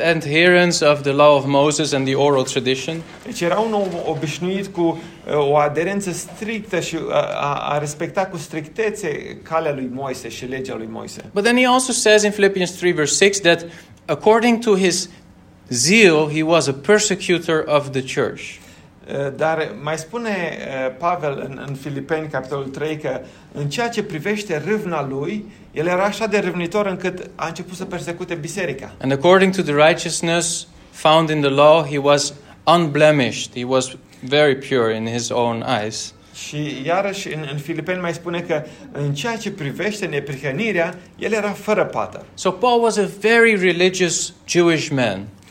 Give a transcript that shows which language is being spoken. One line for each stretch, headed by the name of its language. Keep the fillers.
English: adherence of the law of Moses and the oral tradition.
Romanian: Deci era un om obișnuit cu o aderență strictă și a, a respecta cu strictețe calea lui Moise și legea lui
English: But then he also says in Philippians 3 verse 6 that according to his zeal he was a persecutor of the church.
Romanian: Dar mai spune Pavel în, în Filipeni, capitolul 3, că în ceea ce privește râvna lui, el era așa de râvnitor încât a început să persecute biserica.
English: And according to the righteousness found in the law, he was unblemished. He was very pure in his own eyes.
Romanian: Și iarăși în, în Filipeni mai spune că în ceea ce privește neprihănirea, el era fără pată.
English: So Paul was a very religious Jewish man.